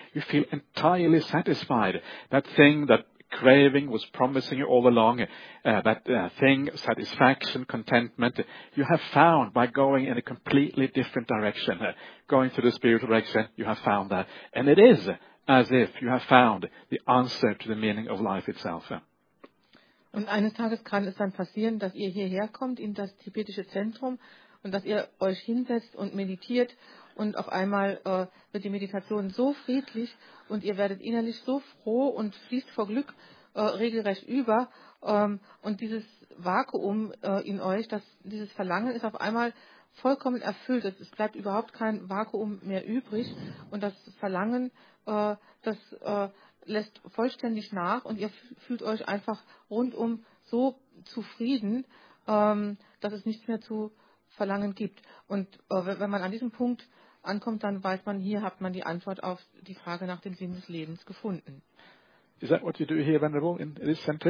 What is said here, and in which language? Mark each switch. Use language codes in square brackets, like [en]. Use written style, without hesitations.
[en] You feel entirely satisfied. That thing that craving was promising you all along, that thing, satisfaction, contentment, you have found by going in a completely different direction. Going through the spiritual direction, you have found that. And it is as if you have found the answer to the meaning of life itself. [de] Und eines Tages kann es dann passieren, dass ihr hierher kommt in das tibetische Zentrum und dass ihr euch hinsetzt und meditiert. Und auf einmal wird die Meditation so friedlich und ihr werdet innerlich so froh und fließt vor Glück regelrecht über. Und dieses Vakuum in euch, dieses Verlangen ist auf einmal vollkommen erfüllt. Es bleibt überhaupt kein Vakuum mehr übrig. Und das Verlangen, das lässt vollständig nach und ihr fühlt euch einfach rundum so zufrieden, dass es nichts mehr zu verlangen gibt. Und wenn man an diesem Punkt ankommt, dann weiß man, hier hat man die Antwort auf die Frage nach dem Sinn des Lebens gefunden. [en] Is that what you do here, Venerable, in this center?